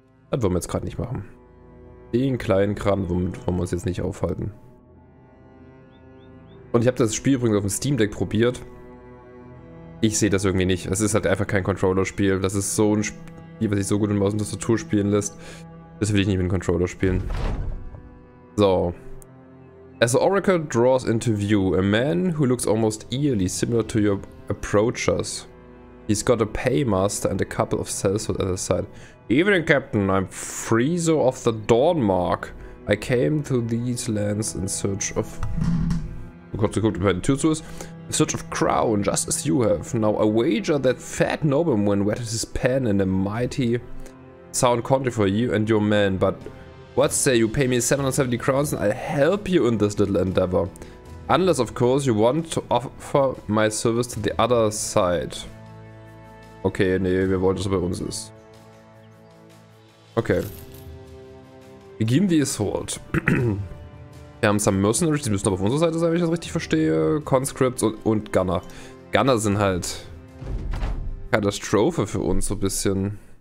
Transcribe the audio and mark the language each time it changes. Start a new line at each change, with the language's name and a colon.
German: Das wollen wir jetzt gerade nicht machen. Den kleinen Kram, womit wollen wir uns jetzt nicht aufhalten. Und ich habe das Spiel übrigens auf dem Steam Deck probiert. Ich sehe das irgendwie nicht. Es ist halt einfach kein Controller-Spiel. Das ist so ein Spiel, was sich so gut mit Maus und Tastatur spielen lässt. Das will ich nicht mit dem Controller spielen. So.
English: As the Oracle draws into view, a man who looks almost eerily similar to your approachers. He's got a paymaster and a couple of sellswords at his side. Evening, Captain. I'm Friso of the Dawnmark. I came to these lands in search of...
German: Kurz geguckt, ob er die Tür zu ist.
English: A search of crown, just as you have. Now I wager that fat nobleman wetted his pen in a mighty sound contract for you and your men. But what say you pay me 770 crowns and I'll help you in this little endeavor. Unless, of course, you want to offer my service to the other side.
German: Okay, nee, wir wollen, dass er bei uns ist. Okay.
English: Begin the assault.
German: Wir haben
English: some Mercenaries,
German: die müssen aber auf unserer Seite sein, wenn ich das richtig verstehe. Conscripts und Gunner. Gunner sind halt Katastrophe für uns, so ein bisschen.